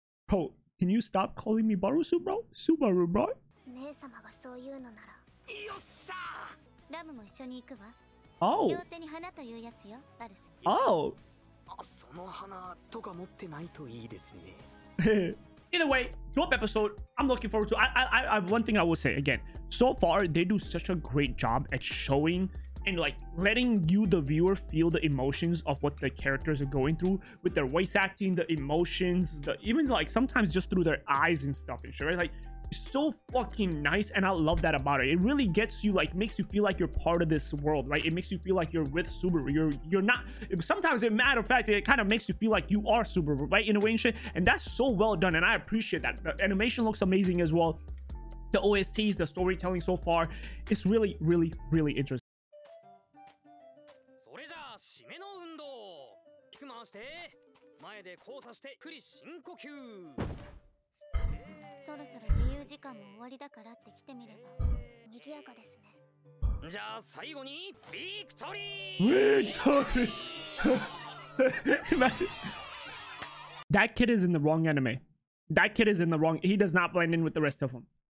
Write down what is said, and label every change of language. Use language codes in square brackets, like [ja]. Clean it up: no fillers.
[en] Bro, can you stop calling me Barusu, bro? Subaru, bro? [ja] 姉様がそういうのなら。よっしゃ。ラムも一緒に行くわ。 Oh. 両手に花というやつよ、バルス。 Oh. あ、その花とか持ってないといいですね。 [en] Either way, dope episode. I'm looking forward to. I one thing I will say again. So far, they do such a great job at showing and like letting you, the viewer, feel the emotions of what the characters are going through with their voice acting, the emotions, the even like sometimes just through their eyes and stuff and shit, right? Like. So fucking nice, and I love that about it. It really gets you, like, makes you feel like you're part of this world, right? It makes you feel like you're with Subaru. You're not. Sometimes, as a matter of fact, it kind of makes you feel like you are Subaru, right? In a way and shit. And that's so well done, and I appreciate that. The animation looks amazing as well. The OSTs, the storytelling so far, it's really, really, really interesting. [ja] それじゃあ締めの運動。キック回して、前で交差して、ゆっくり深呼吸。そろそろ自由時間も終わりだからって来てみれば賑やかですね。じゃあ最後にビクトリー。ビクトリー。 [en] Imagine that kid is in the wrong anime. That kid is in the wrong. He does not blend in with the rest of them.